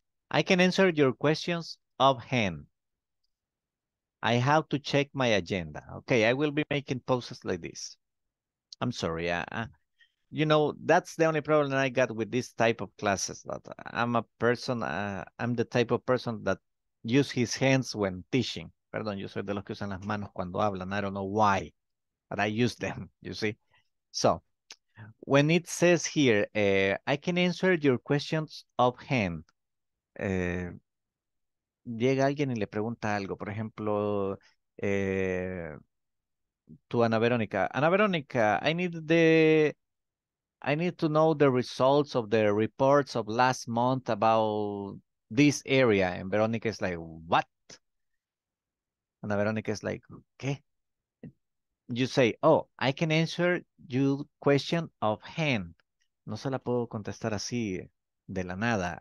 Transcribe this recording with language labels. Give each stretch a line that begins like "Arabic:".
English: I can answer your questions offhand. I have to check my agenda. Okay, I will be making posts like this. I'm sorry. You know, that's the only problem I got with this type of classes, that I'm a person, I'm the type of person that use his hands when teaching.
Spanish: Perdón, yo soy de los que usan las manos cuando hablan.
English: I don't know why, but I use them, you see. So, when it says here, I can answer your questions offhand.
Spanish: Llega alguien y le pregunta algo. Por ejemplo, to Ana Verónica.
English: Ana Verónica, I need to know the results of the reports of last month about this area. And Veronica is like, what? And Veronica is like,
Spanish: ¿qué?
English: You say, oh, I can answer your question offhand.
Spanish: No se la puedo contestar así de la nada.